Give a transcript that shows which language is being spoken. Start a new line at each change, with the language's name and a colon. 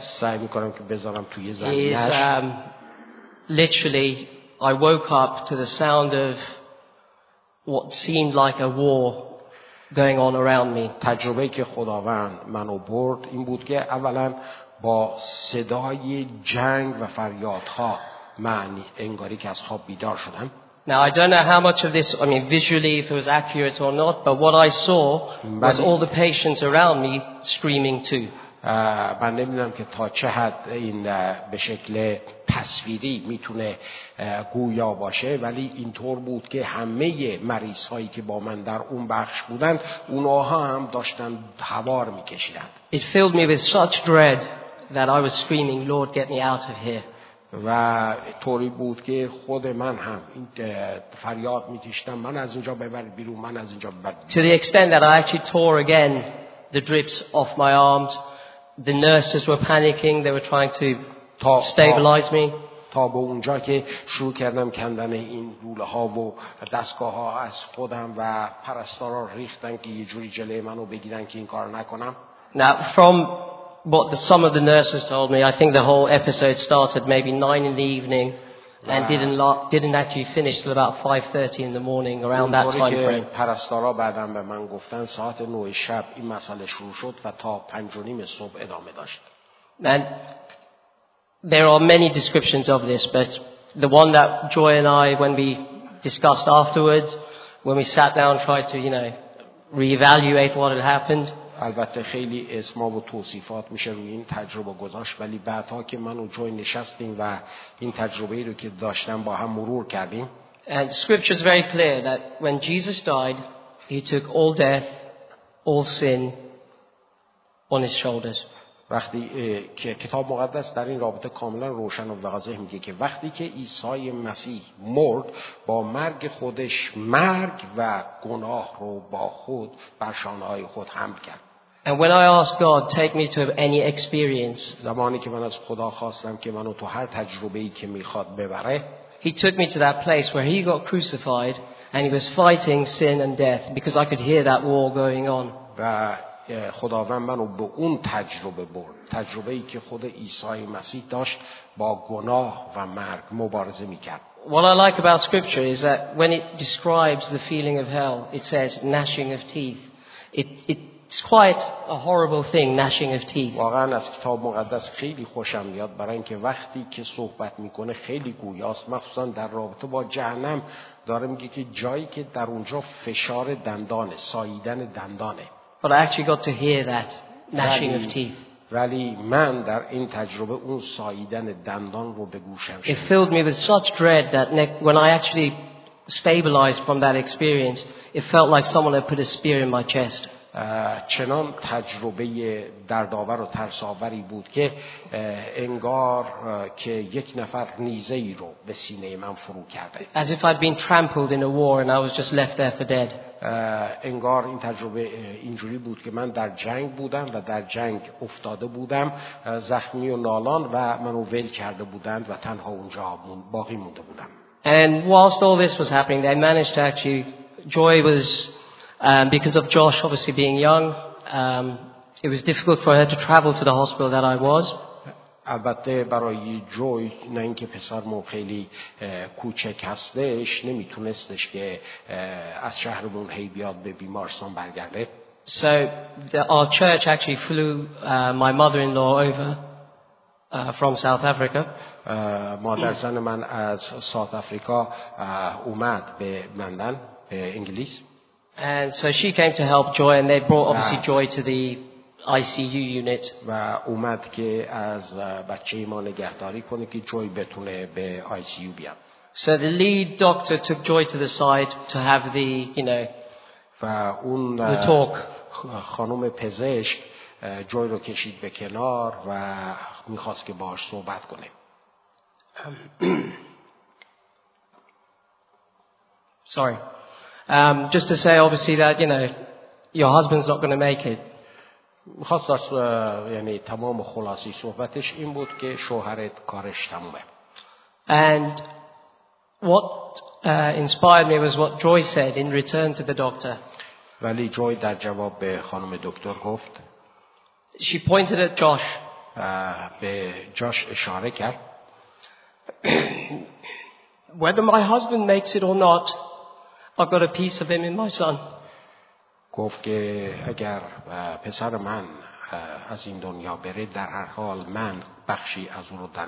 Persian: سعی میکنم که بذارم توی زمینش.
English: Literally, I woke up to the sound of what seemed like a war going on around me.
Persian: تجربه که خداوند منو برد این بود که اولا با صدای جنگ و فریادها من انگاری که از خواب بیدار شدم.
English: Now I don't know how much of this, I mean visually, if it was accurate or not, but what I saw was all the patients around me screaming too.
Persian: من نمیدونم که تا چه حد این به شکل تصویری میتونه گویا باشه ولی اینطور بود که همه مریض هایی که با من در اون بخش بودن اونها هم داشتن هوار میکشیدن.
English: It filled me with such dread that I was screaming, Lord, get me out of here.
Persian: و طوری بود که خود من هم فریاد میکشتم من از اینجا ببر بیرون من از اینجا ببر
English: to the extent that I actually tore again the drips off my arms the nurses were panicking they were trying to stabilize me
Persian: تا به اونجا که شروع کردم کندن این لوله ها و دستگاه ها از خودم و پرستارا ریختن که یه جوری جلوی منو بگیرن که این کارو نکنم
English: Now from what some of the nurses told me I think the whole episode started maybe 9 in the evening and didn't actually finish till about 5:30 in the morning around that time frame
Persian: پرستارا بعدم به من گفتن ساعت 9 شب این مسئله شروع شد و تا 5 و نیم صبح ادامه داشت من
English: There are many descriptions of this, but the one that Joy and I, when we discussed afterwards, when we sat down and tried to, you know, reevaluate what had happened.
Persian: البته خیلی اسما و توصیفات میشه روی این تجربه گذاشت ولی بعدا که من و جوی نشستیم و این تجربه ای رو که داشتم با هم مرور کردیم.
English: And scripture is very clear that when Jesus died, he took all death, all sin on his shoulders.
Persian: وقتی که کتاب مقدس در این رابطه کاملا روشن و واضح میگه که وقتی که عیسی مسیح مرد با مرگ خودش مرگ و گناه رو با خود بر شانه‌های خود حمل کرد
English: And when I asked God take me to any experience
Persian: زمانی که من از خدا خواستم که منو تو هر تجربه‌ای که میخواد ببره
English: He took me to that place where he got crucified and he was fighting sin and death because I could hear that war going on
Persian: و خداوند منو به اون تجربه برد تجربه‌ای که خود عیسی مسیح داشت با گناه و مرگ مبارزه می‌کرد
English: What I like about scripture is that when it describes the feeling of hell it says gnashing of teeth it's quite a horrible thing gnashing of teeth
Persian: واقعا از کتاب مقدس خیلی خوشم میاد برای اینکه وقتی که صحبت می‌کنه خیلی گویاست مخصوصا در رابطه با جهنم داره میگه که جایی که در اونجا فشار دندانه ساییدن دندانه
English: But I actually got to hear that gnashing of teeth.
Persian: ولی من در این تجربه اون ساییدن دندان رو به گوشم شنیدم.
English: It filled me with such dread that when I actually stabilized from that experience, it felt like someone had put a spear in my chest.
Persian: چنان تجربه دردآور و ترس‌آوری بود که انگار که یک نفر نیزه‌ای رو به سینه من فرو کرده.
English: As if I'd been trampled in a war and I was just left there for dead.
Persian: انگار این تجربه اینجوری بود که من در جنگ بودم و در جنگ افتاده بودم زخمی و نالان و منو ول کرده بودند و تنها اونجا باقی مونده بودم.
English: And whilst all this was happening, they managed to actually Joy was because of Josh obviously being young, it was difficult for her to travel to the hospital that I was.
Persian: البته برای جوی نه اینکه پسر مو خیلی کوچک هستش نمیتونستش که از شهر بون هی بیاد به بیمارستان برگرده
English: So our church actually flew my mother-in-law over from South Africa
Persian: مادر زن من از ساوت آفریقا اومد به لندن به انگلیس
English: And so she came to help Joy and they brought obviously Joy to the ICU unit
Persian: و اومد که از بچه ما نگهداری کنه که جوی بتونه به ICU بیاد.
English: So the lead doctor took Joy to the side to have the, you know,
Persian: و اون
English: the talk.
Persian: خانم پزشک جوی رو کشید به کنار و میخواست که باهاش صحبت کنه.
English: Sorry. Just to say obviously that, you know, your husband's not going to make it.
Persian: می‌خواست یعنی تمام خلاصه صحبتش این بود که شوهرت کارش تمومه.
English: And what inspired me was what Joy said in return to the doctor.
Persian: ولی جوی در جواب به خانم دکتر گفت.
English: She pointed at Josh.
Persian: به جوش اشاره کرد.
English: Whether my husband makes it or not, I've got a piece of him in my son.
Persian: گفت که اگر پسر من از این دنیا بره در هر حال من بخشی از او رو در